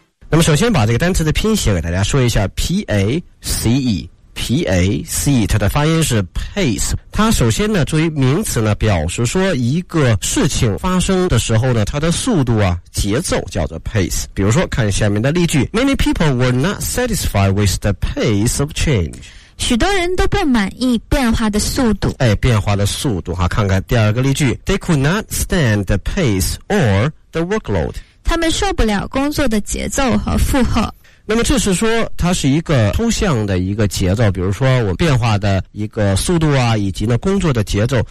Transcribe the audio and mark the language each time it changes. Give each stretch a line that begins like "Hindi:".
Chinese: 那么首先把这个单词的拼写给大家说一下 PACE 它的发音是 pace。它首先呢作为名词呢表示说一个事情发生的时候呢它的速度啊节奏叫做 pace。比如说看下面的例句，
English: Many people were not satisfied with the pace of change。
Chinese: 许多人都不满意变化的速度。哎，变化的速度哈，看看第二个例句，
English: They could not stand the pace or the workload。
Chinese: 他们受不了工作的节奏和负荷。那么这是说它是一个抽象的一个节奏，比如说我变化的一个速度啊，以及呢工作的节奏。